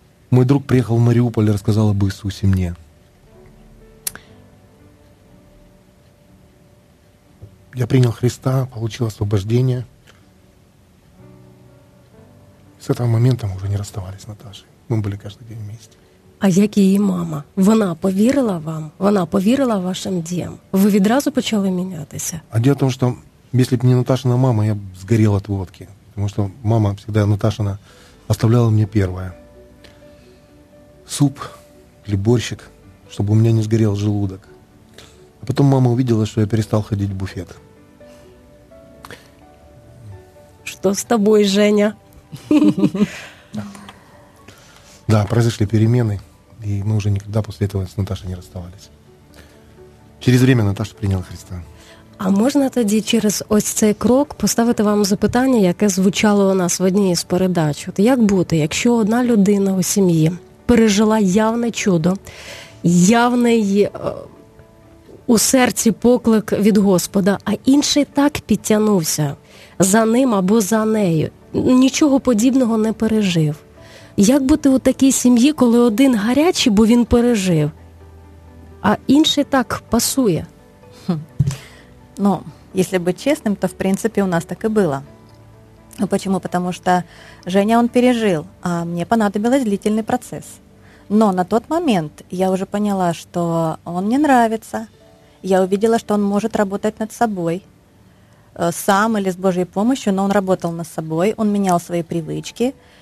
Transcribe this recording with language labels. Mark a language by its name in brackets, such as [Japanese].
[Russian] Мой друг приехал в Мариуполь и рассказал об Иисусе мне. Я принял Христа, получил освобождение. С этого момента мы уже не расставались с Наташей. Мы были каждый день вместе. [Ukrainian] А як її мама? Вона повірила вам? Вона повірила вашим діям? Ви відразу почали мінятися? А діло в тому, що, якщо б не Наташина мама, я б згорів від водки. Тому що мама завжди, Наташина, оставляла мені перше. Суп, чи борщик, щоб у мене не згорів желудок. А потім мама побачила, що я перестав ходити в буфет. Що з тобою, Женя? [Russian] Да, произошли перемены, и мы уже никогда после этого с Наташей не расставались. Через время Наташа приняла Христа. [Ukrainian] А можна тоді через ось цей крок поставити вам запитання, яке звучало у нас в одній із передач? От як бути, якщо одна людина у сім'ї пережила явне чудо, явний у серці поклик від Господа, а інший так підтягнувся за ним або за нею, нічого подібного не пережив? Як бути у такій сім'ї, коли один гарячий, бо він пережив, а інший так пасує? [Russian] Ну, если быть честным, то в принципе у нас так и было. Ну почему? Потому что Женя он пережил, а мне понадобился длительный процесс. Но на тот момент я уже поняла, что он мне нравится. Я увидела, что он может работать над собой. Сам или с Божьей помощью, но он работал над собой, он менял свои привычки.